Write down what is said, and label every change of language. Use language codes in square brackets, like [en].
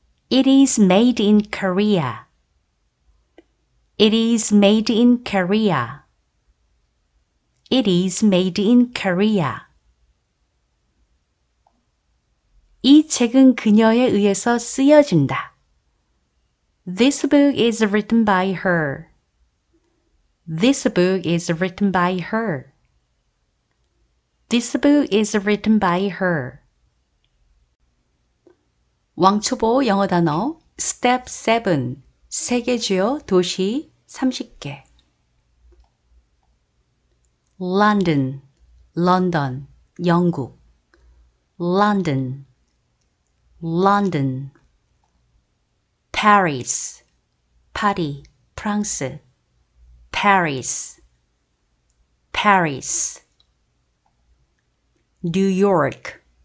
[en] It is made in Korea. It is made in Korea. It is made in Korea. [ko] 이 책은 그녀에 의해서 쓰여진다. [en] This book is written by her. This book is written by her. This book is written by her. [ko] 왕초보 영어 단어 Step 7 세계 주요 도시 30개 [en] London, 런던, 영국 London, London Paris, 파리, 프랑스 Paris, Paris New York,